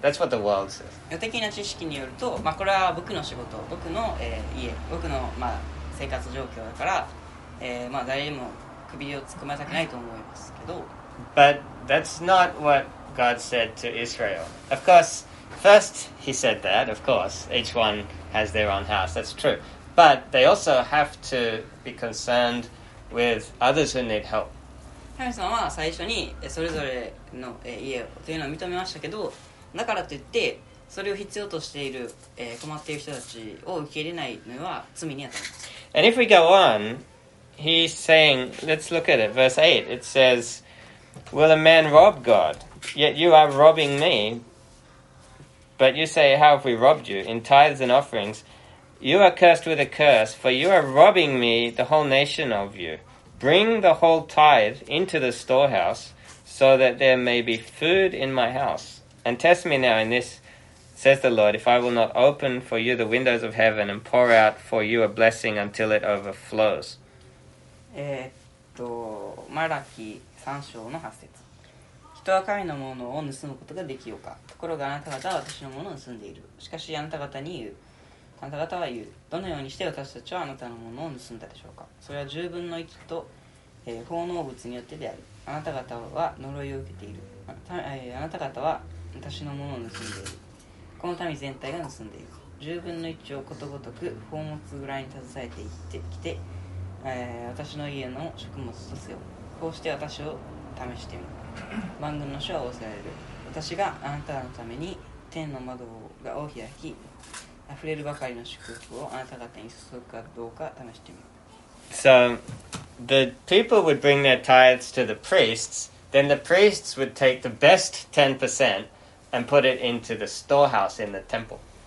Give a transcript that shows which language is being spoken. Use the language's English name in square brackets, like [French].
[English] That's what the world says. [Japanese] 予的な知識によると、まあ、これは僕の仕事、僕の、家、僕の、まあ、生活状況だから、まあ、誰にも首を突っ込まれたくないと思いますけど。 [English] But that's not what God said to Israel. Of course, first he said that, of course, each one has their own house, that's true. But they also have to be concerned with others who need help. [Japanese] 神様は最初にそれぞれの家をというのを認めましたけど、だからといってそれを必要としている困っている人たちを受け入れないのは罪にあたります。 [English] And if we go on, he's saying, let's look at it, verse 8. It says, Will a man rob God? Yet you are robbing me. But you say, How have we robbed you? In tithes and offerings... You are cursed with a curse, for you are robbing me, the whole nation of you. Bring the whole tithe into the storehouse, so that there may be food in my house. And test me now in this, says the Lord, if I will not open for you the windows of heaven and pour out for you a blessing until it overflows. [Japanese] マラキ3章の8節。人は神のものを盗むことができようか。ところがあなた方は私のものを盗んでいる。しかしあなた方に言う。あなた方は言う。どのようにして私たちはあなたのものを盗んだでしょうか。それは十分の一と、奉納物によってである。あなた方は呪いを受けている。あなた方は私のものを盗んでいる。この民全体が盗んでいる。十分の一をことごとく宝物蔵に携えていってきて、私の家の食物とせよ。こうして私を試してみる。万軍の主は仰せられる。私があなたのために天の窓を開き、溢れるばかりの祝福をあなた方に注ぐかどうか試してみる。 [English] So, the people would bring their tithes to the priests, then the priests would take the best 10% and put it into the storehouse in the temple.